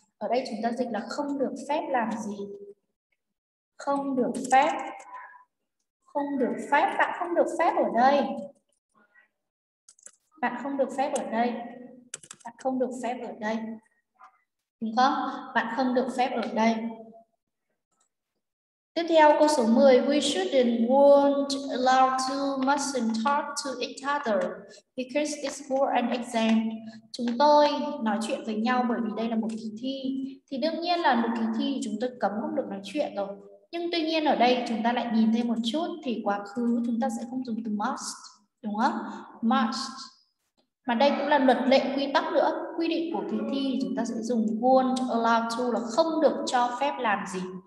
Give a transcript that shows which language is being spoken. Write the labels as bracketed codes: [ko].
[vi] Ở đây chúng ta dịch là không được phép làm gì. Không được phép. Không được phép. Bạn không được phép ở đây. Bạn không được phép ở đây. Bạn không được phép ở đây. Đúng không? Bạn không được phép ở đây. Tiếp theo câu số 10. [en] We shouldn't won't allow to mustn't talk to each other because it's for an exam. [vi] Chúng tôi nói chuyện với nhau bởi vì đây là một kỳ thi. Thì đương nhiên là một kỳ thi chúng tôi cấm không được nói chuyện rồi. Nhưng tuy nhiên ở đây chúng ta lại nhìn thêm một chút thì quá khứ chúng ta sẽ không dùng từ must, đúng không? Must. Mà đây cũng là luật lệ quy tắc nữa, quy định của kỳ thi chúng ta sẽ dùng won't allow to là không được cho phép làm gì.